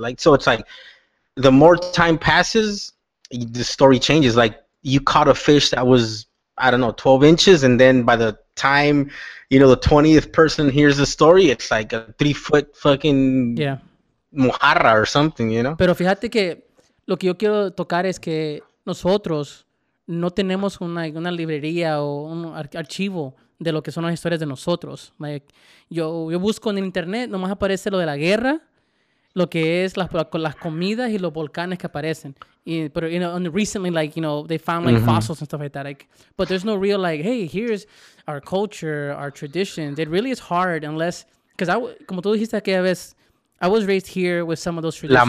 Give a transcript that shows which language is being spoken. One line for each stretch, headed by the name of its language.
English: Like, so it's like the more time passes, the story changes. Like, you caught a fish that was, I don't know, 12 inches, and then by the time, you know, the 20th person hears the story, it's like a 3-foot fucking mojarra or something, you know?
Spanish: Pero fíjate que lo que yo quiero tocar es que nosotros no tenemos una librería o un archivo de lo que son las historias de nosotros. Like, yo busco en internet, nomás aparece lo de la guerra, lo que es las comidas y los volcanes que aparecen.
English: But, you know, and recently, like, you know, they found, like, fossils and stuff like that. Like, but there's no real, like, hey, here's our culture, our traditions. It really is hard unless... Because I,
Spanish: como tú dijiste aquella vez,
English: I was raised here with some of those traditions.